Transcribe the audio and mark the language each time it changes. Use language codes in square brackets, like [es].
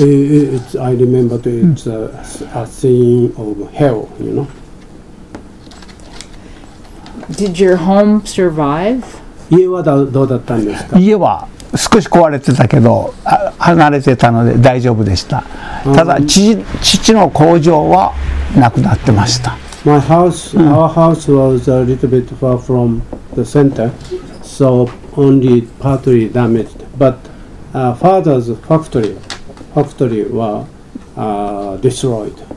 [en] I remember it's a scene of hell, you know. Did your home survive? [ja] 家はどうだったんですか？家は少し壊れてたけど離れてたので大丈夫でした。ただ父の工場はなくなってました。 [en] My house, our house was a little bit far from the center, soonly partly damaged, but father's factory was destroyed.